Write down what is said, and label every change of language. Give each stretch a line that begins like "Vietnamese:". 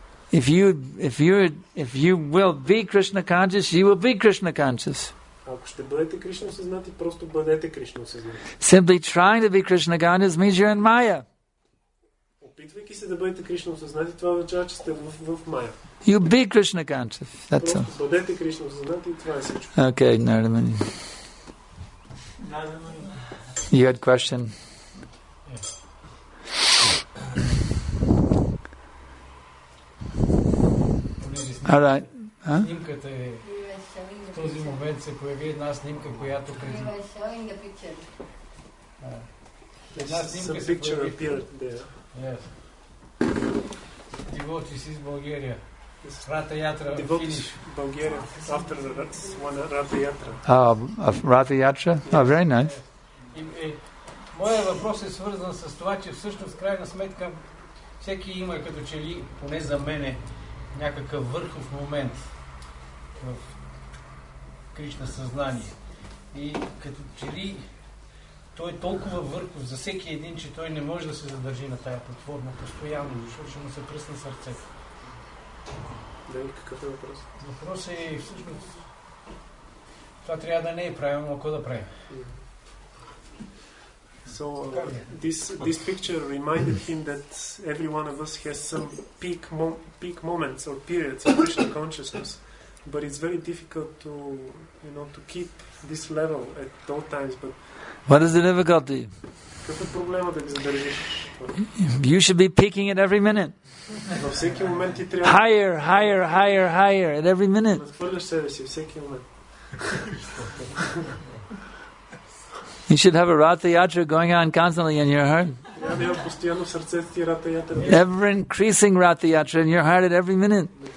English: If you will be Krishna conscious, you will be Krishna conscious.
Bulgarian: Ако ще бъдете Кришна осъзнати, просто бъдете Кришна осъзнати.
English: Simply trying to be Krishna conscious means you're in Maya.
Bulgarian: Опитвайки се да бъдете Кришна осъзнати, това означава, че сте в Maya.
English: You be Krishna conscious. That's all.
Bulgarian: Бъдете Кришна осъзнати, това е всичко.
English: Okay, Нардамани. You had a question. All right.
Bulgarian: Снимката е в този момент се появи една снимка, която преди. Една снимка се появи.
English: Some picture appeared there. Yes. Devotees
Bulgarian: из България. Рата Ятра.
English: Devotees България. After the Рата Ятра. Рата Ятра. Oh, very nice.
Bulgarian: Моя въпрос е свързан с това, че всъщност крайна сметка всеки има като че ли, поне за мене, някакъв върхов момент в Кришна съзнание. И като че ли той е толкова върхов за всеки един, че той не може да се задържи на тая платформа постоянно, защото ще му се пръсне сърцето. Да, и какъв е въпрос? Въпрос е всъщност това трябва да не е правилно, ако да правим.
English: So this picture reminded him that every one of us has some peak moments or periods of Krishna consciousness, but it's very difficult to, you know, to keep this level at all times. But what is the difficulty?
Bulgarian: Какво е проблема да ги задържиш?
English: You should be peaking at every minute.
Bulgarian: Във всеки момент ти трябва.
English: Higher at every minute.
Bulgarian: Надхвърляш себе си всеки момент.
English: You should have a Ratha Yatra going on constantly in your heart. Ever increasing Ratha Yatra in your heart at every minute.